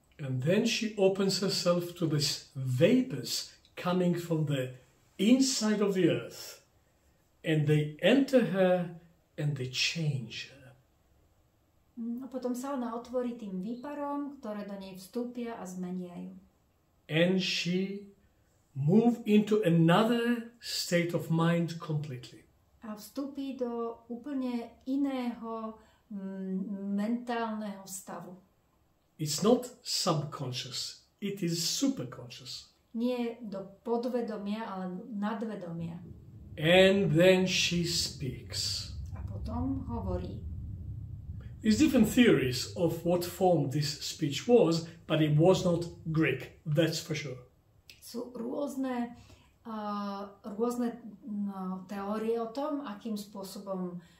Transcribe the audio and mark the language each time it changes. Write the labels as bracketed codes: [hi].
[en] And then she opens herself to this vapors coming from the inside of the earth. And they enter her and they change her. [sk] A potom sa ona otvorí tým výparom, ktoré do nej vstúpia a zmenia ju. [en] And she move into another state of mind completely. [sk] A vstúpi do úplne iného mentálneho stavu. [en] It's not subconscious, it is superconscious. [sk] Nie do podvedomia, ale nadvedomia. [en] And then she speaks. [sk] A potom hovorí. [en] There's different theories of what form this speech was, but it was not Greek, that's for sure. [sk] Sú rôzne rôzne teórie o tom, akým spôsobom